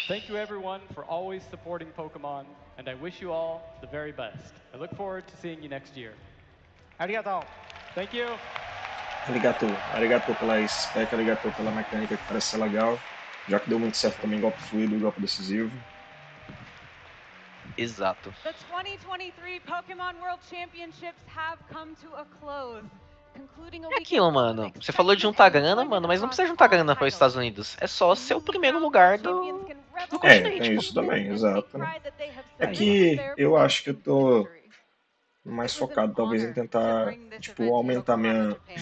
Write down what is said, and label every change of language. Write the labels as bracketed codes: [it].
[en] Thank you everyone for always supporting Pokemon and I wish you all the very best. I look forward to seeing you next year. [ja] Arigatou. [en] Thank you. [ja] Arigatou. [pt] Arigatou pela spec, arigatou pela mecânica que parece ser legal. Já que deu muito certo também golpe fluido, golpe decisivo. Exato. [en] The 2023 Pokemon World Championships have come to a close. [pt] É aquilo, mano. Você falou de juntar grana, mano, mas não precisa juntar grana para os Estados Unidos. É só ser o primeiro lugar do continente. É, tem isso também, exato. Né? É que eu acho que eu tô mais focado, talvez, em tentar, tipo, aumentar minha...